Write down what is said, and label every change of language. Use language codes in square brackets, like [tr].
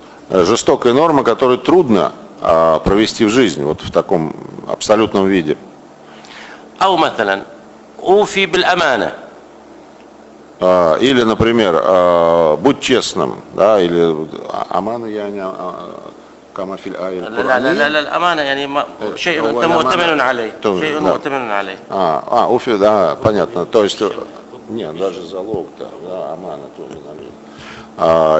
[ru] Жестокая норма, которую трудно провести в жизнь, вот в таком абсолютном виде. [ar] أو مثلا أوفي بالأمانة. [ru] Или, например, будь честным, да, или [ar] أمانة يعني كما في الآية القرآنية. لا لا لا الأمانة يعني شيء أنت مؤتمن عليه. شيء مؤتمن عليه. [ru] أوفي да, понятно. То есть нет, даже залог то, да, أمانة тоже надо.